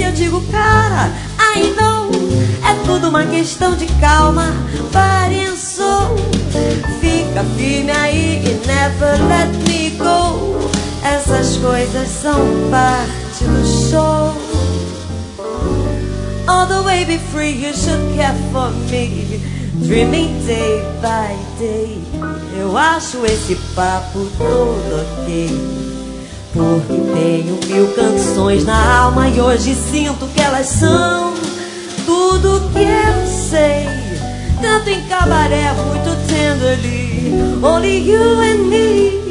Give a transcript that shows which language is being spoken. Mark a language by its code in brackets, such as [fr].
[pt] Eu digo, cara, ainda não. É tudo uma questão de calma. Parenço, fica firme aí e [en] never let me go. [pt] Essas coisas são parte do show. [en] All the way be free, you should care for me, dreaming day by day. [pt] Eu acho esse papo todo ok, porque tenho mil canções na alma e hoje sinto que elas são tudo que eu sei. Canto em cabaré muito [en] tenderly, only you and me.